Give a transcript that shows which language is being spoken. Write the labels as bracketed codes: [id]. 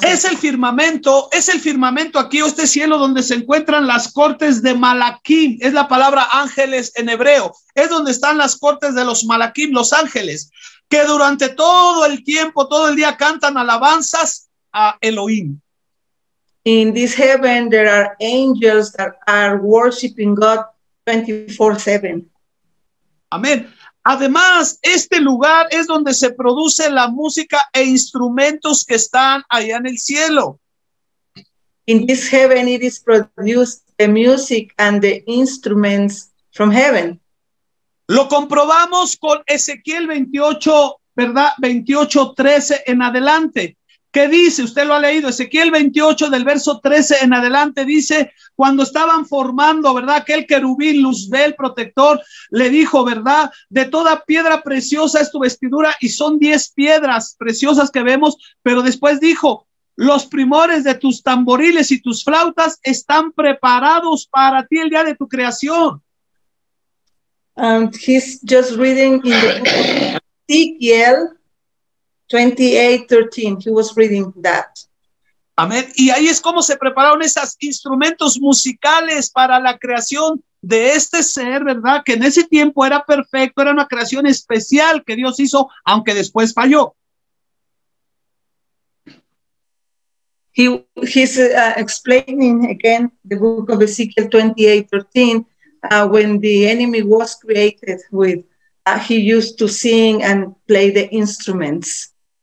[es] es el firmamento, aquí, este cielo donde se encuentran las cortes de Malaquim, es la palabra ángeles en hebreo, es donde están las cortes de los Malaquim, los ángeles, que durante todo el tiempo, todo el día cantan alabanzas a Elohim. [en] In this heaven there are angels that are worshiping God 24/7. [es] Amén. Además, este lugar es donde se produce la música e instrumentos que están allá en el cielo. [en] In this heaven it is produced the music and the instruments from heaven. [es] Lo comprobamos con Ezequiel 28, ¿verdad? 28:13 en adelante. ¿Qué dice? Usted lo ha leído. Ezequiel 28 del verso 13 en adelante dice, cuando estaban formando, ¿verdad?, aquel querubín, Luzbel, protector, le dijo, ¿verdad?, de toda piedra preciosa es tu vestidura, y son 10 piedras preciosas que vemos, pero después dijo, los primores de tus tamboriles y tus flautas están preparados para ti el día de tu creación. [en] And he's just reading in the Ezequiel 28:13, he was reading that. [es] Amén. Y ahí es como se prepararon esos instrumentos musicales para la creación de este ser, ¿verdad? Que en ese tiempo era perfecto, era una creación especial que Dios hizo, aunque después falló. [en] He's explaining again the book of Ezekiel 28:13, when the enemy was created with, he used to sing and play the instruments.